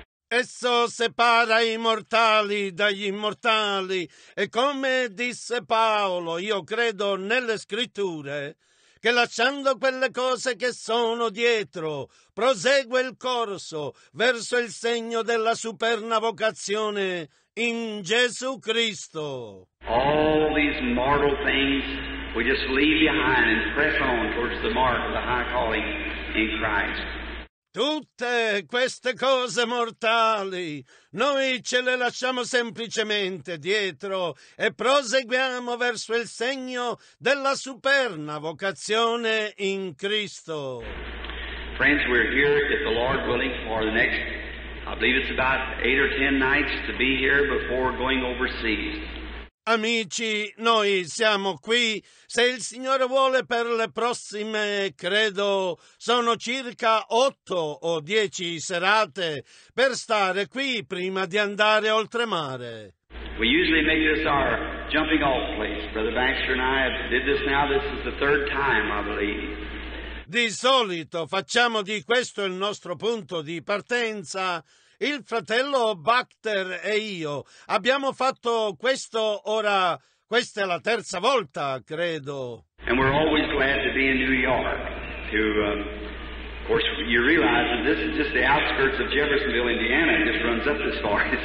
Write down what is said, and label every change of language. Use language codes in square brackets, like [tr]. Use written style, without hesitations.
[it] Esso separa i mortali dagli immortali e come disse Paolo, io credo nelle scritture, che lasciando quelle cose che sono dietro, prosegue il corso verso il segno della superna vocazione in Gesù Cristo. [en] All these mortal things we just leave behind and press on towards the mark of the high calling in Christ. [it] Tutte queste cose mortali, noi ce le lasciamo semplicemente dietro e proseguiamo verso il segno della superna vocazione in Cristo. [en] Friends, we're here, if the Lord willing, for the next, I believe it's about 8 or 10 nights to be here before going overseas. [it] Amici, noi siamo qui, se il Signore vuole, per le prossime, credo, sono circa 8 o 10 serate per stare qui prima di andare oltremare. [en] We usually make this our jumping off place. Brother Baxter and I did this now, this is the third time, I believe. [it] Di solito facciamo di questo il nostro punto di partenza. Il fratello Baxter e io abbiamo fatto questo ora, questa è la terza volta, credo. [en] And we're always glad to be in New York. Of course, you realize that this is just the outskirts of Jeffersonville, Indiana, and just runs up this far.